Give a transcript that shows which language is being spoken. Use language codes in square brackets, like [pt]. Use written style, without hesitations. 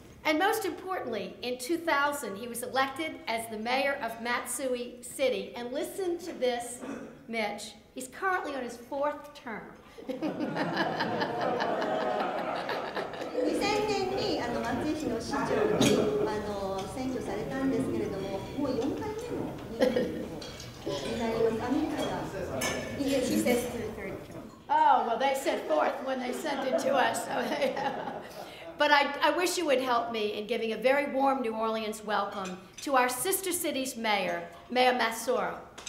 [en] And most importantly, in 2000, he was elected as the mayor of Matsui City. And listen to this, Mitch. He's currently on his fourth term. [ja] 2000年に松江市の市長に選挙されたんですけれども、もう4回目の任期になります。 [en] Oh, well, they said fourth when they sent it to us. So, yeah. But I wish you would help me in giving a very warm New Orleans welcome to our sister city's mayor, Mayor Massaro.